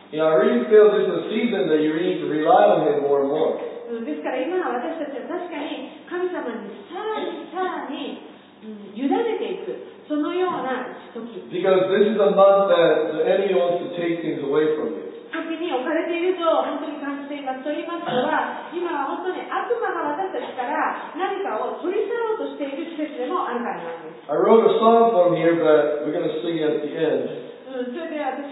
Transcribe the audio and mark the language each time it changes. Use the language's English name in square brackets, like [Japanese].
[English] Yeah, I really feel this is a season that you need to rely on him more and more. [Japanese] ですから今は私たちは確かに神様にさらにさらに委ねていく、そのような時。 [English] Because this is a month that the enemy wants to take things away from you. [Japanese] 時に置かれていると本当に感じています。と言いますのは、今は本当に悪魔が私たちから何かを取り去ろうとしている季節でもあるからなんです。 [English] I wrote a song for him here, but we're going to sing it at the end.